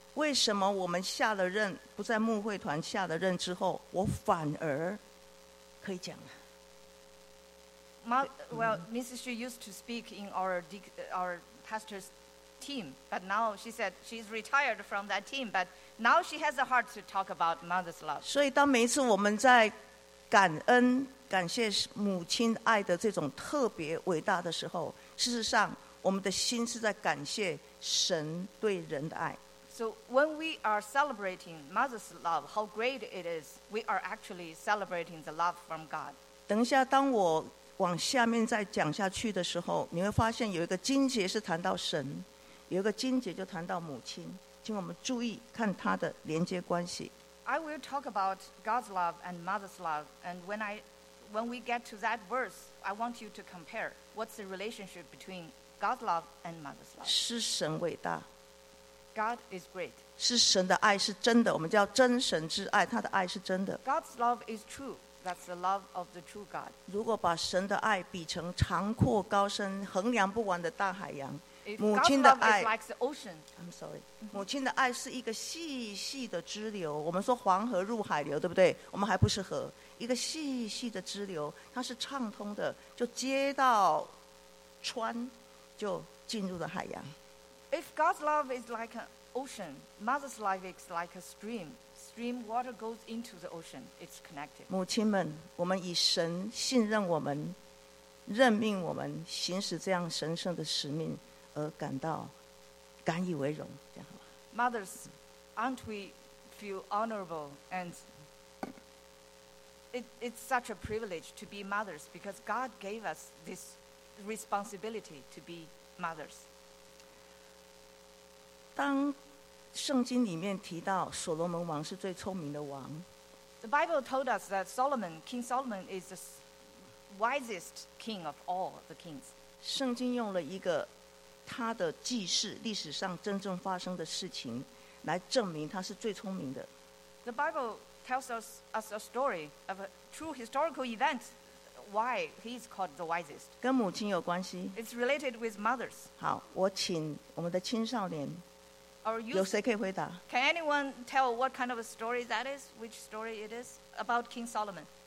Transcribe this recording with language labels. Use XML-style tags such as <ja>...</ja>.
<zh>为什么我们下了任，不在牧会团下了任之后，我反而可以讲了。</zh> <en>Well, Mrs. Xu used to speak in our pastor's team, but now she said she's retired from that team, but now she has a heart to talk about mother's love.</en> <zh>所以当每一次我们在感恩、感谢母亲爱的这种特别伟大的时候，事实上我们的心是在感谢神对人的爱。</zh> <en>So when we are celebrating mother's love, how great it is, we are actually celebrating the love from God.</en> <zh>等一下，当我往下面再讲下去的时候，你会发现有一个经节是谈到神，有一个经节就谈到母亲，请我们注意看它的连接关系。</zh> <en>I will talk about God's love and mother's love, and when we get to that verse, I want you to compare what's the relationship between God's love and mother's love.</en> <zh>是神伟大。</zh> <en>God is great.</en> <zh>是神的爱是真的，我们叫真神之爱，他的爱是真的。</zh> <en>God's love is true. That's the love of the true God.</en> <zh>如果把神的爱比成长阔高深、衡量不完的大海洋，母亲的爱</zh> <en>is like the ocean. I'm sorry.</en> <zh>母亲的爱是一个细细的支流。我们说黄河入海流，对不对？我们还不是河，一个细细的支流，它是畅通的，就接到川，就进入了海洋。</zh> <en>If God's love is like an ocean, mother's love is like a stream. Stream water goes into the ocean. It's connected.</en> <zh>母亲们，我们以神信任我们、任命我们行使这样神圣的使命而感到感以为荣，这样好吗</zh> <en>？Mothers, aren't we feel honorable? And it's such a privilege to be mothers because God gave us this responsibility to be mothers.</en> <zh>当圣经里面提到所罗门王是最聪明的王。</zh> <en>The Bible told us that Solomon, King Solomon, is the wisest king of all the kings.</en> <zh>圣经用了一个他的记事，历史上真正发生的事情，来证明他是最聪明的。</zh> <en>The Bible tells us a story of a true historical event, why he is called the wisest.</en> <zh>跟母亲有关系。</zh> <en>It's related with mothers.</en> <zh>好，我请我们的青少年。有谁可以回答</zh> <en>？Can anyone tell what kind of a story that is? Which story it is about King Solomon?</en>